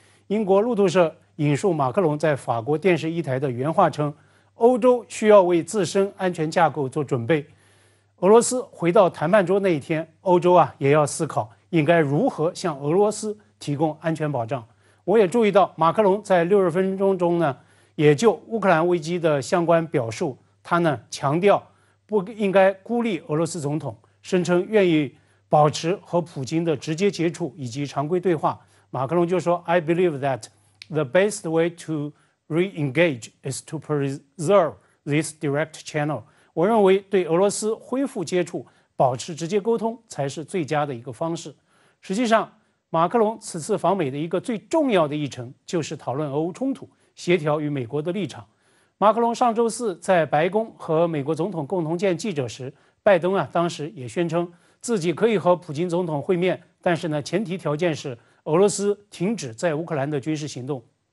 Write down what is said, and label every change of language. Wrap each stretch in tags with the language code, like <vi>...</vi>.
<zh>英国路透社引述马克龙在法国电视一台的原话称，欧洲需要为自身安全架构做准备，俄罗斯回到谈判桌那一天，欧洲啊也要思考应该如何向俄罗斯提供安全保障。我也注意到马克龙在60分钟中呢，也就乌克兰危机的相关表述，他呢强调不应该孤立俄罗斯总统，声称愿意保持和普京的直接接触以及常规对话。马克龙就说</zh> <en>I believe that the best way to re-engage is to preserve this direct channel.</en> <zh>我认为对俄罗斯恢复接触，保持直接沟通才是最佳的一个方式。实际上马克龙此次访美的一个最重要的议程就是讨论俄乌冲突，协调与美国的立场。马克龙上周四在白宫和美国总统共同见记者时，拜登啊当时也宣称自己可以和普京总统会面，但是呢前提条件是俄罗斯停止在乌克兰的军事行动。</zh>